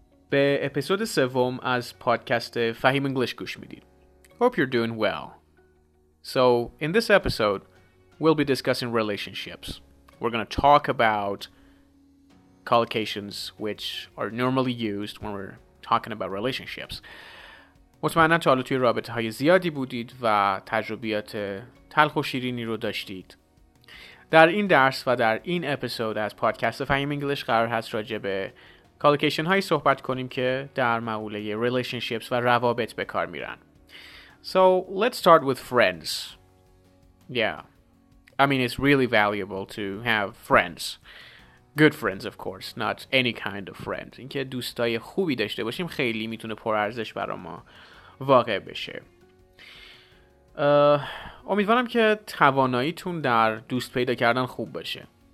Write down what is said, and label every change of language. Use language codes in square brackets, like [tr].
[fa] به اپیزود سوم از پادکست فهیم انگلیش گوش میدید. [en] Hope you're doing well. So, in this episode, we'll be discussing relationships. We're going to talk about collocations which are normally used when we're talking about relationships. [fa] مطمئنا تا حالا توی رابطه های زیادی بودید و تجربیات تلخ و شیرینی رو داشتید. در این درس و در این اپیزود از پادکست فهیم انگلیش قرار هست راجع به کالوکیشن هایی صحبت کنیم که در معموله ریلیشنشیپس و روابط به کار میرن. [en] So, let's start with friends. Yeah. I mean, it's really valuable to have friends. Good friends, of course. Not any kind of friends. [fa] این که دوستای خوبی داشته باشیم خیلی میتونه پرارزش برای ما واقع بشه. امیدوارم که تواناییتون در دوست پیدا کردن خوب باشه.